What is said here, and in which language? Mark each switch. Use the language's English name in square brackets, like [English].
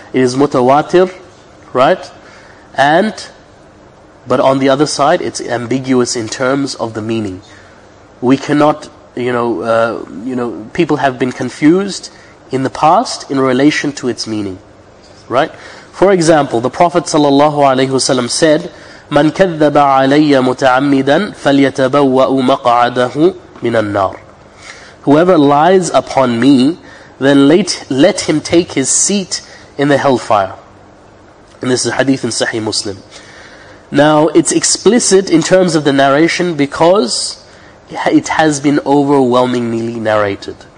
[English] It is mutawatir, right? But on the other side, it's ambiguous in terms of the meaning. We cannot, people have been confused in the past in relation to its meaning, right? For example, the Prophet ﷺ said, [Arabic] مَنْ كَذَّبَ عَلَيَّ مُتَعَمِّدًا فَلْيَتَبَوَّأُ مَقْعَدَهُ مِنَ النَّارِ. [English] Whoever lies upon me, then let him take his seat in the hellfire. And this is a hadith in Sahih Muslim. Now, it's explicit in terms of the narration because it has been overwhelmingly narrated.